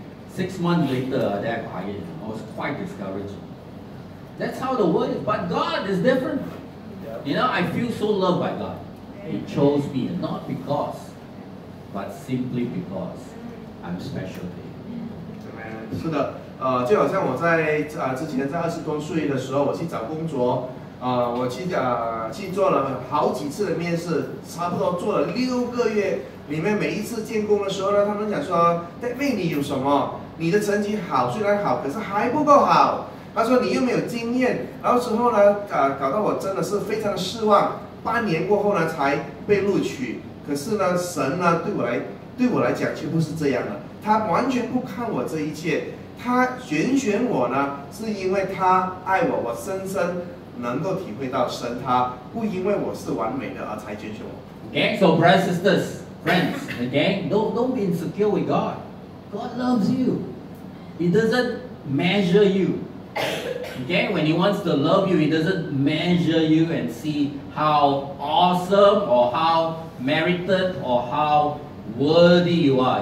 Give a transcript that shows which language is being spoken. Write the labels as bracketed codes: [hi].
[en] 6 months later, they're quiet. I was quite discouraged. That's how the world is, but God is different. Yep. You know, I feel so loved by God. He chose me, not because, but simply because I'm special to Him. Amen. [zh] 就好像我在之前在20多岁的时候，我去找工作，我去做了好几次的面试，差不多做了6个月。里面每一次见工的时候呢，他们讲说 ，David， 你有什么？你的成绩好虽然好，可是还不够好。他说你又没有经验。然后之后呢，搞到我真的是非常失望。半年过后呢，才被录取。可是呢，神呢对我来讲却不是这样的，他完全不看我这一切。他拣选我呢，是因为他爱我，我深深能够体会到神他不因为我是完美的而才拣选我。 [en] Okay, so brothers, sisters, friends, okay, don't be insecure with God. God loves you. He doesn't measure you. Okay, when He wants to love you, He doesn't measure you and see how awesome or how merited or how worthy you are.